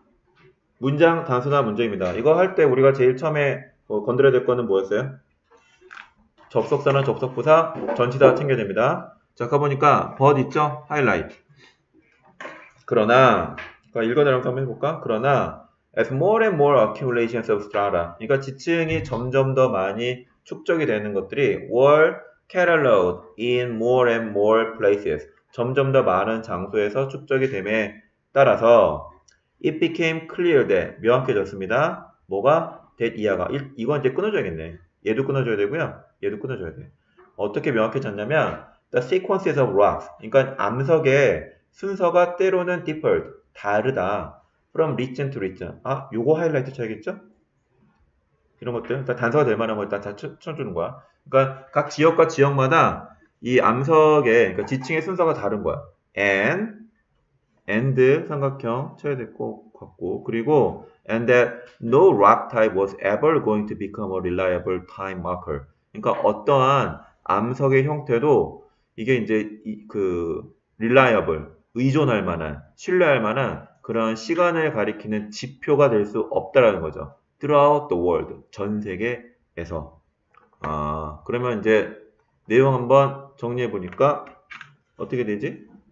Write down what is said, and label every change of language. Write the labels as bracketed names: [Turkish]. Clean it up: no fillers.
[Korean] 문장, 단순화 문제입니다. 이거 할 때 우리가 제일 처음에 건드려야 될 거는 뭐였어요? 접속사나 접속부사, 전치사 챙겨야 됩니다. 자, 가보니까, but 있죠? highlight. 그러나, 읽어내면서 한번 해볼까? 그러나, [English] as more and more accumulations of strata. [Korean] 그러니까 지층이 점점 더 많이 축적이 되는 것들이 [English] were cataloged in more and more places. [Korean] 점점 더 많은 장소에서 축적이 됨에 따라서 [English] it became clear that [Korean] 명확해졌습니다. 뭐가 that 이하가 이건 이제 끊어줘야겠네. 얘도 끊어줘야 되고요. 얘도 끊어줘야 돼. 어떻게 명확해졌냐면 [English] the sequences of rocks. [Korean] 그러니까 암석의 순서가 때로는 different 다르다. [English] from region to region. [Korean] 아, 요거 하이라이트 쳐야겠죠? 이런 것들 일단 단서가 될 만한 거 일단 다 쳐주는 거야. 그러니까 각 지역과 지역마다 이 암석의 그러니까 지층의 순서가 다른 거야. [English] and [Korean] 삼각형 쳐야 될것 같고 그리고 [English] and that no rock type was ever going to become a reliable time marker. [Korean] 그러니까 어떠한 암석의 형태도 이게 이제 그 reliable 의존할 만한 신뢰할 만한 그런 시간을 가리키는 지표가 될수 없다라는 거죠. [English] throughout the world, [Korean] 전 세계에서. 아, 그러면 이제 내용 한번 정리해보니까 어떻게 되지?